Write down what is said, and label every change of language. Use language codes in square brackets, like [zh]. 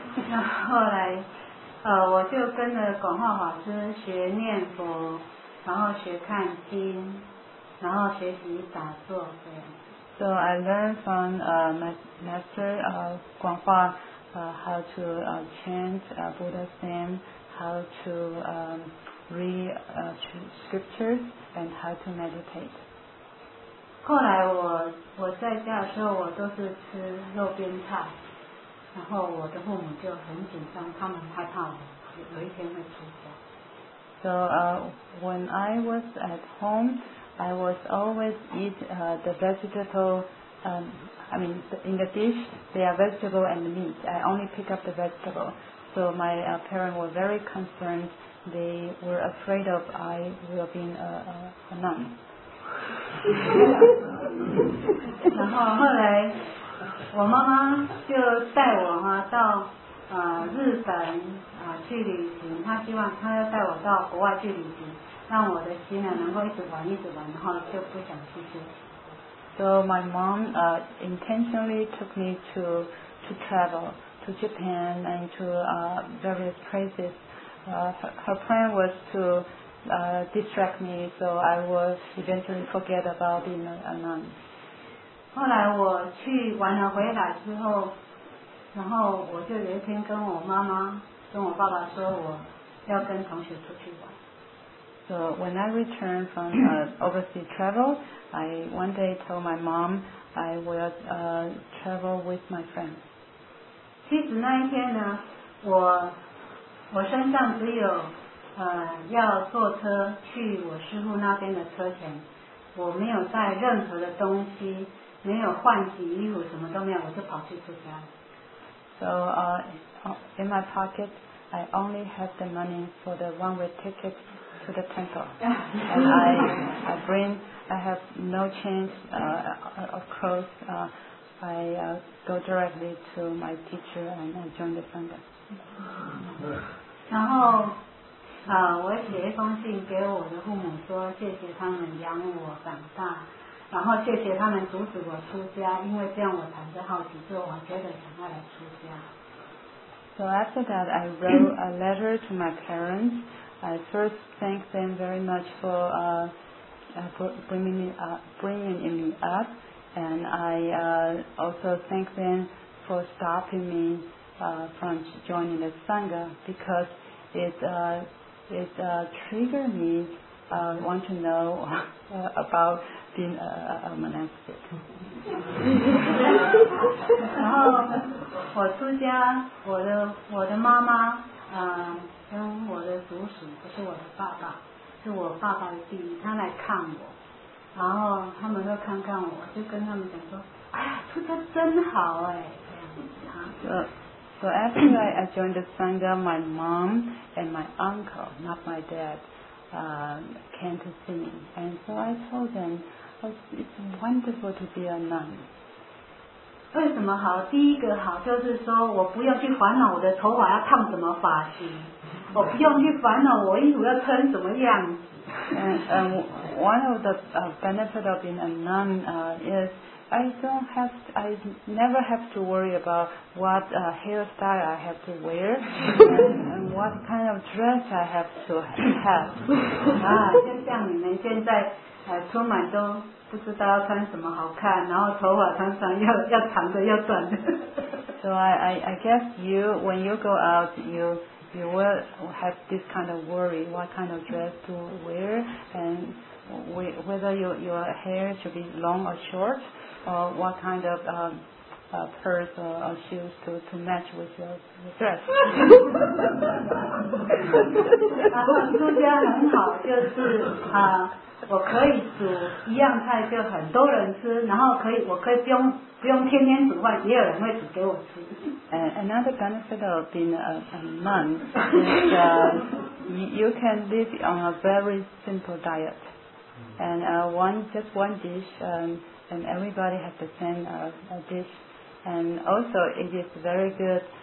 [zh] 那后来我就跟着广化法师学念佛，然后学看经，然后学习打坐。 [en] So I learned from my master 广化how to chant Buddha's name, how to read scriptures and how to meditate. [zh] 后来我在家的时候我都是吃肉边菜，然后我的父母就很紧张，他们害怕我有一天会出家。 [en] So when I was at home I was always eat the vegetable in the dish they are vegetable and meat. I only pick up the vegetable. So my parents were very concerned. They were afraid of I will be a nun. [zh] 然后后来我妈妈就带我哈到日本去旅行，她希望她要带我到国外去旅行，让我的心呢能够一直玩一直玩，然后就不想去休息。 [en] So my mom intentionally took me to travel to Japan and to various places. Her plan was to distract me so I would eventually forget about being a nun. [zh] 后来我去玩了回来之后，然后我就有一天跟我妈妈跟我爸爸说我要跟同学出去玩。 [en] So when I returned from overseas travel, I one day told my mom I will travel with my friends. [zh] 其实那一天呢，我身上只有要坐车去我师父那边的车钱，我没有带任何的东西，没有换洗衣服，什么都没有，我就跑去出家。 [en] So in my pocket, I only have the money for the one-way ticket. To the temple, and I have no change of clothes. I go directly to my teacher and I join the sangha. [zh] 然后，我写一封信给我的父母说，谢谢他们养我长大，然后谢谢他们阻止我出家，因为这样我产生好奇，就我觉得想要来出家。 [en] So after that, I wrote a letter to my parents. I first thank them very much for bringing me up, and I also thank them for stopping me from joining the Sangha because it triggered me want to know about being a monastic. [zh] 然后我出家，我的妈妈。跟我的祖师不是我的爸爸，是我爸爸的弟弟，他来看我，然后他们都看看我，就跟他们讲说，哎呀，出家真好哎，这样子啊。 [en] So after I joined the Sangha, my mom and my uncle, not my dad, came to see me, and so I told them, it's wonderful to be a nun. [zh] 为什么好？第一个好就是说我不用去烦恼我的头发要烫什么发型，我不用去烦恼我衣服要穿什么样子。 [en] One of the benefit of being a nun is I never have to worry about what hairstyle I have to wear and what kind of dress I have to have. [zh] 啊，就像你们现在出门都。不知道要穿什么好看，然后头发常常要长的要短的。 [en] So I guess you when you go out you will have this kind of worry what kind of dress to wear and whether your hair should be long or short or what kind of purse or shoes to match with your dress. [zh] 出家很好，就是我可以煮一样菜就很多人吃，然后我可以不用天天煮饭，也有人会煮给我吃。 [en] Another benefit of being a monk is you can live on a very simple diet, and one dish, and everybody has the same dish, and also it is very good.